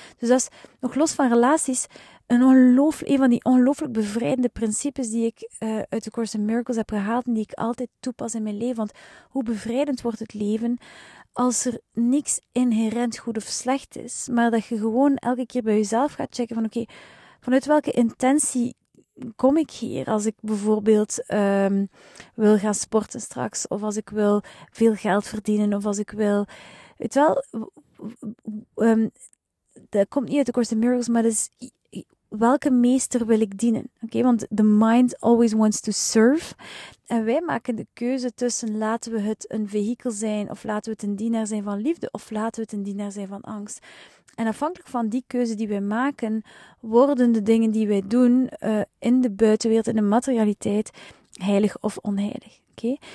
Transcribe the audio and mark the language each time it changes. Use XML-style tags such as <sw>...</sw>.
<nl>Dus dat is, nog los van relaties, een van die ongelooflijk bevrijdende principes die ik uit de Course in Miracles heb gehaald en die ik altijd toepas in mijn leven. Want hoe bevrijdend wordt het leven als er niks inherent goed of slecht is, maar dat je gewoon elke keer bij jezelf gaat checken van oké, vanuit welke intentie kom ik hier als ik bijvoorbeeld wil gaan sporten straks, of als ik wil veel geld verdienen, of als ik wil... Weet wel, dat komt niet uit de Course in Miracles, maar dat is welke meester wil ik dienen? Oké, want</nl> <en>the mind always wants to serve.</en> <nl>En wij maken de keuze tussen laten we het een vehikel zijn, of laten we het een dienaar zijn van liefde, of laten we het een dienaar zijn van angst. En afhankelijk van die keuze die wij maken, worden de dingen die wij doen in de buitenwereld, in de materialiteit, heilig of onheilig. Okay?</nl>